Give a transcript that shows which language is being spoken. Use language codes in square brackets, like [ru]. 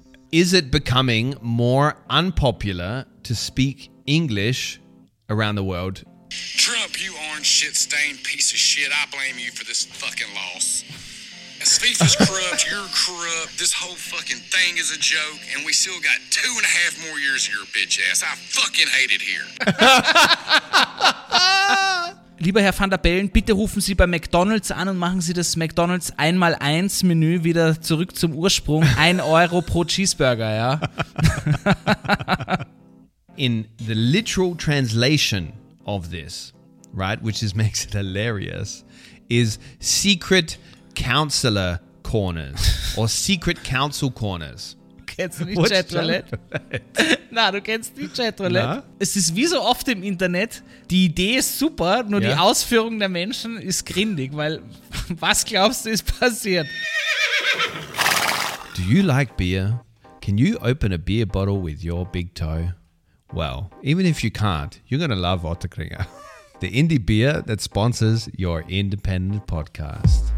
[en] Is it becoming more unpopular to speak English around the world? Trump, you orange shit-stained piece of shit. I blame you for this fucking loss. FIFA's corrupt, you're corrupt, this whole fucking thing is a joke, and we still got 2.5 more years of your bitch ass. I fucking hate it here. [de] Lieber Herr Van der Bellen, bitte rufen Sie bei McDonald's an und machen Sie das McDonald's 1x1-Menü wieder zurück zum Ursprung. 1 Euro pro Cheeseburger, ja? [en] In the literal translation of this, right, which is makes it hilarious, is secret counselor corners or secret council corners. [de] Kennst du nicht Chat Roulette? Na, du kennst nicht Chat Roulette. Es ist wie so oft im Internet, die Idee ist super, nur die Ausführung der Menschen ist grindig, weil was glaubst du ist passiert? [en] Do you like beer? Can you open a beer bottle with your big toe? Well, even if you can't, you're gonna love Otterkringer. The indie beer that sponsors your independent podcast.